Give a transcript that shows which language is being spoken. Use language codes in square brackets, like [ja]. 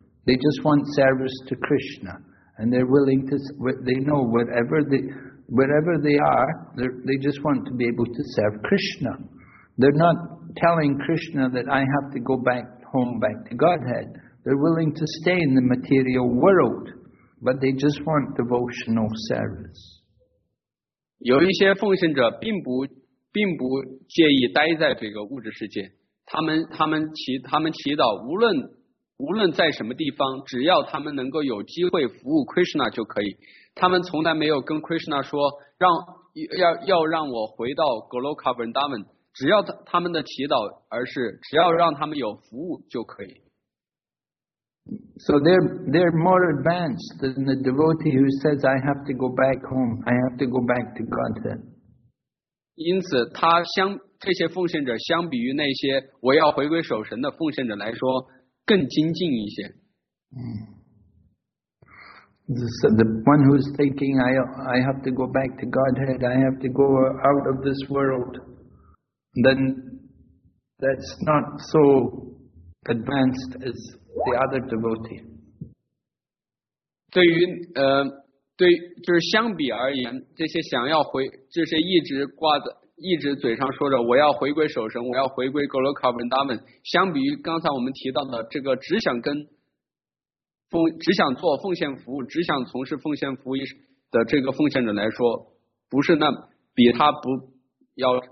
[en] They just want service to Krishna. And they're willing to, they know wherever they are, they just want to be able to serve Krishna. They're not telling Krishna that I have to go back to Godhead. They're willing to stay in the material world, but they just want devotional service. [zh] 有一些奉献者并不介意待在这个物质世界。他们祈祷无论在什么地方，只要他们能够有机会服务 Krishna 就可以。他们从来没有跟 Krishna 说要让我回到 Goloka Vrindavan。只要他们的祈祷，而是只要让他们有服务就可以。 [en] So they're more advanced than the devotee who says, "I have to go back home. I have to go back to Godhead." [zh] 因此，这些奉献者相比于那些我要回归守神的奉献者来说，更精进一些。 [en] The one who's thinking, "I have to go back to Godhead. I have to go out of this world." Then that's not so advanced as the other devotee. [zh] 对于对，就是相比而言，这些想要回，这些一直嘴上说着我要回归守神，我要回归 Goloka Vrindavan， 相比于刚才我们提到的这个只想做奉献服务，只想从事奉献服务的这个奉献者来说，不是那比他不要。